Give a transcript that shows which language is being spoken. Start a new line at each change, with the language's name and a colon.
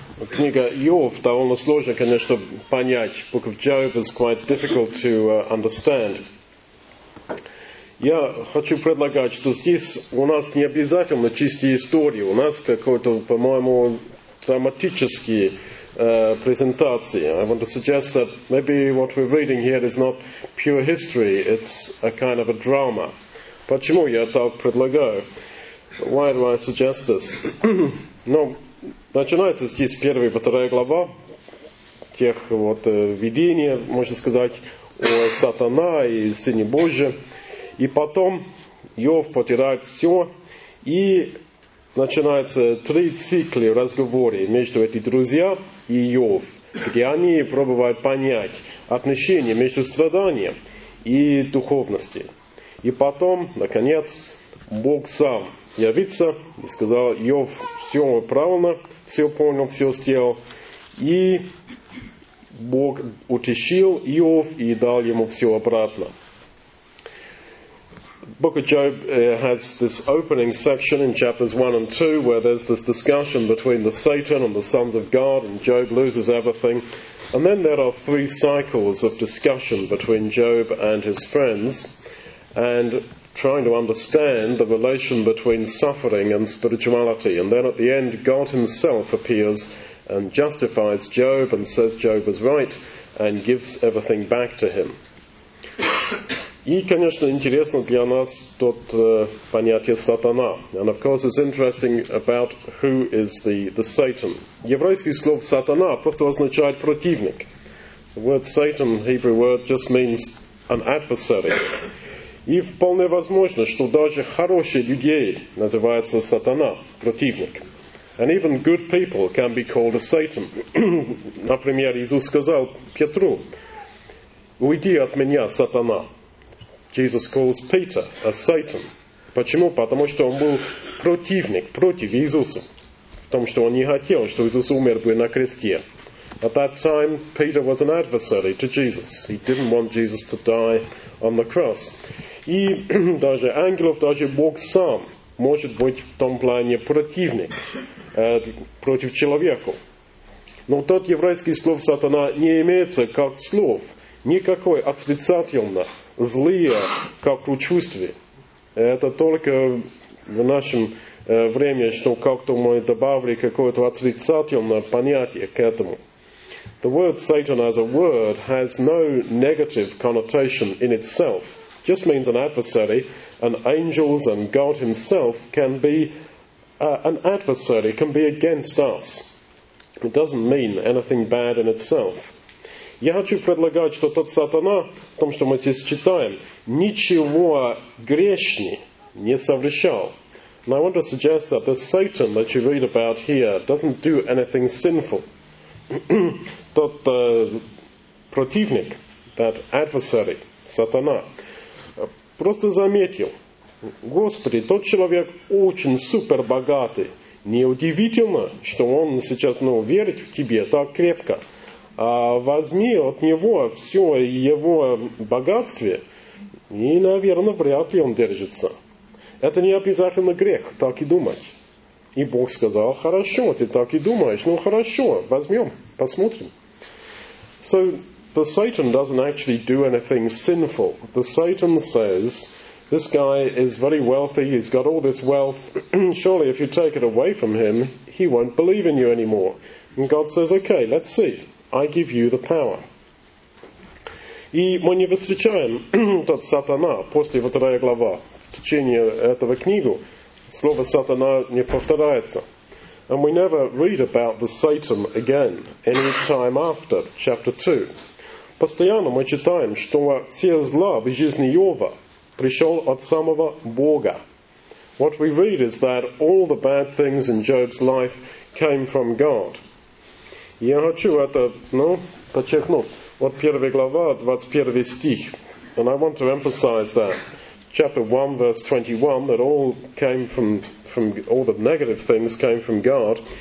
Russian: Книга Иов довольно сложно, конечно, понять.
English: Book of Job is quite difficult to understand.
Russian: Я хочу предлагать, что здесь у нас не обязательно чистые истории. У нас какой-то, по-моему, драматический презентации.
English: I want to suggest that maybe what we're reading here is not pure history, it's a kind of a drama.
Russian: Почему я так предлагаю?
English: Why do I suggest this?
Russian: Ну, начинается здесь первая и вторая глава тех вот видений, можно сказать, о сатана и Сыне Божьем. И потом Иов потирает все, и начинаются три цикла разговоров между этими друзьями и Иов, где они пробуют понять отношения между страданием и духовностью. И потом, наконец, Бог сам явится и сказал, Иов все правильно, все понял, все сделал. И Бог утешил Иов и дал ему все обратно.
English: Book of Job has this opening section in chapters 1 and 2 where there's this discussion between the Satan and the sons of God, and Job loses everything. And then there are three cycles of discussion between Job and his friends, and trying to understand the relation between suffering and spirituality. And then at the end, God himself appears and justifies Job and says Job is right and gives everything back to him.
Russian: И, конечно, интересно для нас тот понятие сатана.
English: And of course it's interesting about who is the Satan.
Russian: Еврейский слово сатана просто означает противник.
English: The word Satan, Hebrew word, just means an adversary.
Russian: И вполне возможно, что даже хорошие люди называются сатана, противник.
English: And even good people can be called a Satan.
Russian: Например, Иисус сказал Петру, «Уйди от меня, сатана».
English: Jesus calls Peter a Satan.
Russian: Почему? Потому что он был противник, против Иисуса. В том, что он не хотел, что Иисус умер бы на кресте.
English: At that time, Peter was an adversary to Jesus. He didn't want Jesus to die on the cross.
Russian: И даже ангелов, даже Бог сам может быть в том плане противник, против человека. Но тот еврейский слов сатана не имеется как слов. Никакой отрицательно злые, как у чувства. Это только в нашем время, что как-то мы добавили какое-то отрицательное понятие к этому.
English: The word Satan as a word has no negative connotation in itself. It just means an adversary, and angels and God himself can be an adversary, can be against us. It doesn't mean anything bad in itself.
Russian: Я хочу предлагать, что тот сатана, в том, что мы здесь читаем, ничего грешни не совершал.
English: And I want to suggest that the Satan that you read about here doesn't do anything sinful.
Russian: Тот противник,
English: that adversary,
Russian: сатана, просто заметил, Господи, тот человек очень супер богатый. Неудивительно, что он сейчас верит в Тебе так крепко. А возьми от него все его богатство, и, наверное, вряд ли он держится. Это не обязательно грех, так и думать. И Бог сказал, хорошо, ты так и думаешь. Ну хорошо, возьмем, посмотрим.
English: So, the Satan doesn't actually do anything sinful. The Satan says, this guy is very wealthy, he's got all this wealth. Surely, if you take it away from him, he won't believe in you anymore. And God says, okay, let's see. I give you the power.
Russian: И мы не встречаем тот сатана после вторая глава. В течение этого книгу слово сатана не повторяется.
English: And we never read about the Satan again any time after chapter 2.
Russian: Постоянно мы читаем, что все зла в жизни Иова пришел от самого Бога.
English: What we read is that all the bad things in Job's life came from God.
Russian: Я хочу это, подчеркнуть. Вот первая глава, 21 стих.
English: And I want to emphasize that. Chapter 1, verse 21, that all came from all the negative things came from God.